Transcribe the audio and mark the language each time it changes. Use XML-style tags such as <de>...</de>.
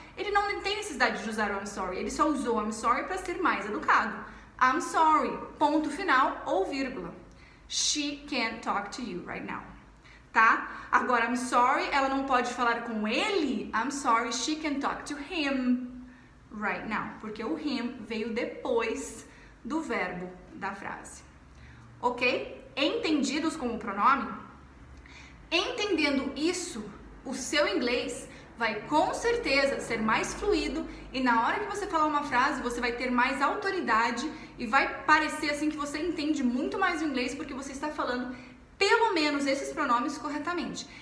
<pt>Ele não tem necessidade de usar o</pt> <en>I'm sorry.</en> <pt>Ele só usou I'm sorry para ser mais educado.</pt> <en>I'm sorry,</en> <pt>ponto final ou vírgula.</pt> <en>She can't talk to you right now.</en> <pt>Tá? Agora,</pt> <en>I'm sorry,</en> <pt>ela não pode falar com ele.</pt> <en>I'm sorry, she can't talk to him right now.</en> <pt>Porque o him veio depois do verbo da frase. Ok? Entendidos como pronome? Entendendo isso, o seu inglês vai com certeza ser mais fluido e na hora que você falar uma frase, você vai ter mais autoridade e vai parecer assim que você entende muito mais o inglês porque você está falando pelo menos esses pronomes corretamente.</pt>